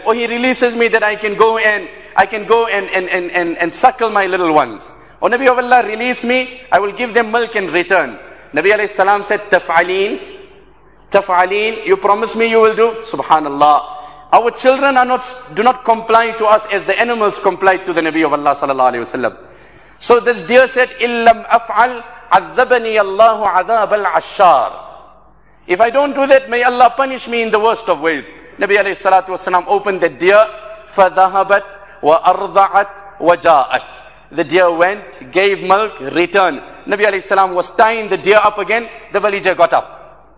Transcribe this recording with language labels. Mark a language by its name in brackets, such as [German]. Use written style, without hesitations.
[English] Or he releases me that I can go and suckle my little ones. O Nabi of Allah, release me, I will give them milk in return. Nabi alayhi salam said, [Arabic] taf'aleen, taf'aleen, [English] you promise me you will do? Subhanallah. Our children do not comply to us as the animals comply to the Nabi of Allah sallallahu alayhi wa sallam. So this deer said, [Arabic] إِلَّمْ أَفْعَلْ عَذَّبَنِي اللَّهُ عَذَابَ الْعَشَّارِ. [English] If I don't do that, may Allah punish me in the worst of ways. Nabi alayhi salatu wasalam opened the deer, [Arabic] فَذَهَبَتْ وَأَرْضَعَتْ وَجَاءَتْ. [English] The deer went, gave milk, returned. Nabi alayhi salam was tying the deer up again, the villager got up.